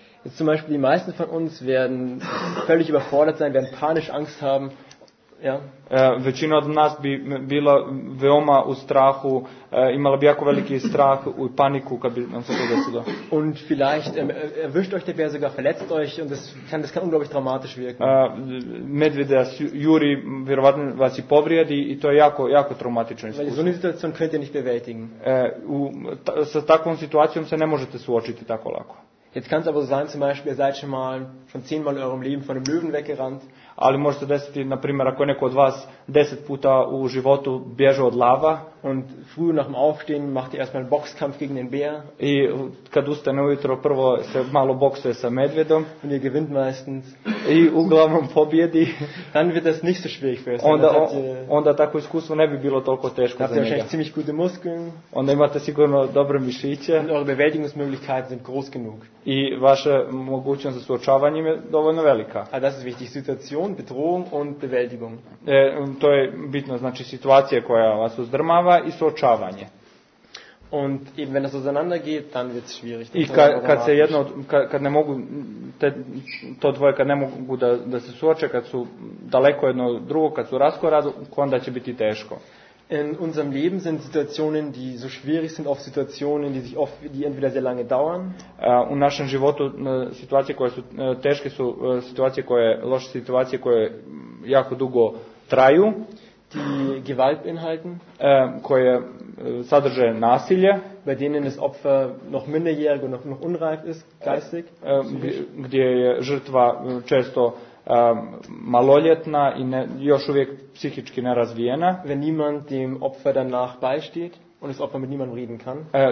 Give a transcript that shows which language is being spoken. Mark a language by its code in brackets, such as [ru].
[de] Jetzt zum Beispiel, die meisten von uns werden völlig überfordert sein, werden panisch Angst haben. Ja. [bs] Većina od nas bi bila veoma u strahu, imala bi jako veliki strah i paniku kad bi nam se to desilo. [de] Und vielleicht erwischt euch der Bär sogar, verletzt euch und das kann unglaublich dramatisch wirken. [bs] Medvede juri vjerovatno vas i povrijedi i to je jako jako traumatično iskustvo. [de] Weil so eine Situation könnt ihr nicht bewältigen. [bs] Sa takvom situacijom se ne možete suočiti tako lako. [de] Jetzt kann es aber so sein, zum Beispiel, ihr seid schon 10 Mal in eurem Leben von einem Löwen weggerannt. [bs] Ali može se desiti, na primjer, ako je neko od vas 10 puta u životu bježao od lava. [de] Und früh nach dem Aufstehen macht ihr erstmal einen Boxkampf gegen den Bär. [bs] I kad ustane ujutro, prvo se malo boksuje sa medvjedom. [de] Und ihr gewinnt meistens. [bs] I uglavnom pobjedi. [de] Dann wird das nicht so schwierig für euch. [bs] Onda tako iskustvo ne bi bilo toliko teško za njega. [de] Habt ihr wahrscheinlich ziemlich gute Muskeln. [bs] Onda imate sigurno dobre mišiće. [de] Und eure Bewältigungsmöglichkeiten sind groß genug. [bs] I vaša mogućnost za suočavanje je dovoljno velika. [de] A das ist wichtig, Situation, Bedrohung und Bewältigung. [bs] To je bitno, znači situacija koja vas uzdrmava i suočavanje. [de] Und eben wenn das auseinander geht, dann wird es schwierig. [bs] I kad se jedno, kad ne mogu, to dvoje kad ne mogu da se suoče, kad su daleko jedno od drugog, kad su raskorad, onda će biti teško. [de] In unserem Leben sind Situationen, die so schwierig sind, oft Situationen, die entweder sehr lange dauern. [bs] U našem životu situacije koje su teške su situacije koje loše situacije koje jako dugo traju, [de] die Gewalt beinhalten, [bs] koje sadrže nasilje, [de] bei denen das Opfer noch minderjährig und noch unreif ist geistig, [bs] gdje je žrtva često maloljetna i još uvijek psihički nerazvijena. [de] Wenn niemand dem Opfer danach beisteht und das Opfer mit niemandem reden kann.